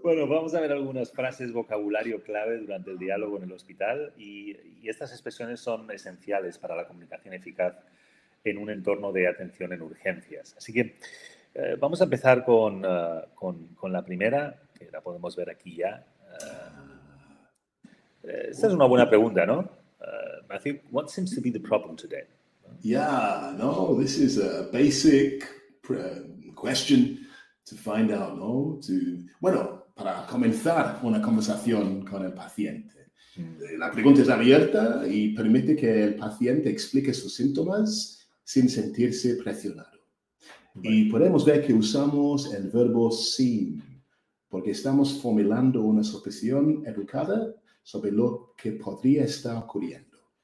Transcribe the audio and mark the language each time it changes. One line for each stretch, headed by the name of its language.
Spanish: Bueno, vamos a ver algunas frases, vocabulario clave durante el diálogo en el hospital. Y estas expresiones son esenciales para la comunicación eficaz en un entorno de atención en urgencias. Así que vamos a empezar con la primera, que la podemos ver aquí ya. Esta es una buena pregunta, ¿no?
English: Matthew, what seems to be the problem today? This is a basic question to find out, ¿no?
Spanish: Para comenzar una conversación con el paciente. La pregunta es abierta y permite que el paciente explique sus síntomas sin sentirse presionado. Right. Y podemos ver que usamos el verbo seem, porque estamos formulando una suposición educada sobre lo que podría estar ocurriendo.